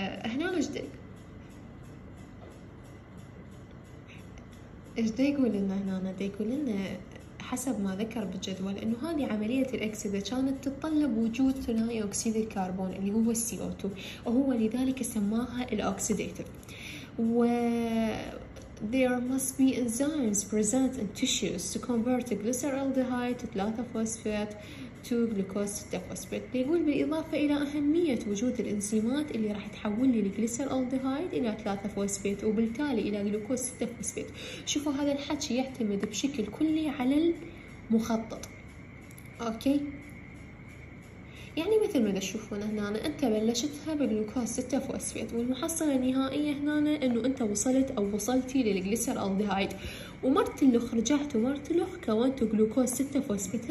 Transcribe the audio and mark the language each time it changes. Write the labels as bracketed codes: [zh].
[ar] هنا وجدك ايش دا يقول لنا؟ هنا دا يقول لنا حسب ما ذكر بالجدول انه هذه عملية الاكسدة كانت تتطلب وجود ثنائي اكسيد الكربون اللي هو CO2، وهو لذلك سماها الاكسيديتر. [en] و there must be enzymes present in tissues to convert glyceraldehyde to 3-phosphate to glucose to phosphate. [ar] بيقول بالإضافة إلى أهمية وجود الإنزيمات اللي راح تحول لي الجليسرالدهايد إلى 3-فوسفيت وبالتالي إلى جلوكوز 6-فوسفيت. شوفوا هذا الحكي يعتمد بشكل كلي على المخطط. أوكي، يعني مثل ما تشوفون هنا أنت بلشتها بالجلوكوز 6-فوسفيت والمحصلة النهائية هنا أنه أنت وصلت أو وصلتي للجليسرالدهايد ومرت اللخ رجعت ومرت اللخ كونت جلوكوز 6-فوسفيت.